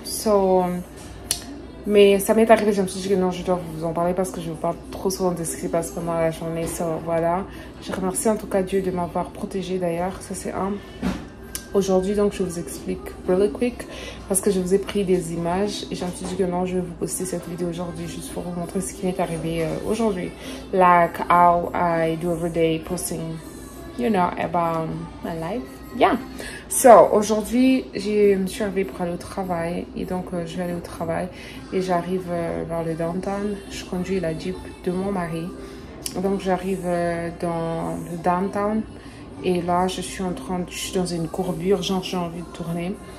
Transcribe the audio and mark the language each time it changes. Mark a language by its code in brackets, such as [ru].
[fr] So, mais ça m'est arrivé, je me suis dit que non, je dois vous en parler parce que je vous parle trop souvent de ce qui se passe pendant la journée. So, voilà. Je remercie en tout cas Dieu de m'avoir protégé d'ailleurs, ça c'est un. Aujourd'hui, donc, je vous explique [en] really quick [fr] parce que je vous ai pris des images et j'ai un petit dit que non, je vais vous poster cette vidéo aujourd'hui juste pour vous montrer ce qui m'est arrivé aujourd'hui. [en] Like how I do every day posting, you know, about my life. Yeah. [fr] So, aujourd'hui, je me suis arrivée pour aller au travail et donc je vais aller au travail et j'arrive vers le downtown. Je conduis la Jeep de mon mari. Donc, j'arrive dans le downtown. Et là, je suis dans une courbure, genre j'ai envie de tourner.